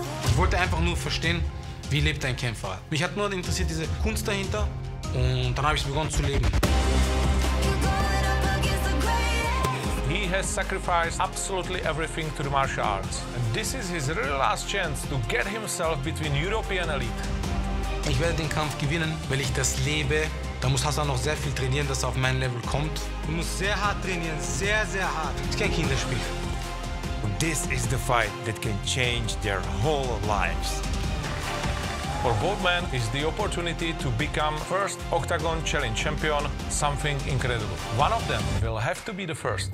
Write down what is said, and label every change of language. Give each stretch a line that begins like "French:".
German: Ich wollte einfach nur verstehen, wie lebt ein Kämpfer. Mich hat nur interessiert diese Kunst dahinter und dann habe ich begonnen zu leben.
English: He has sacrificed absolutely everything to the martial arts. And this is his real last chance to get himself between European elite.
German: Ich werde den Kampf gewinnen, weil ich das lebe. Da muss Hassan noch sehr viel trainieren, dass er auf mein Level kommt. Du musst sehr hart trainieren, sehr, sehr hart. Das ist kein Kinderspiel.
English: This is the fight that can change their whole lives. For both men is the opportunity to become first Octagon Challenge champion, something incredible. One of them will have to be the first.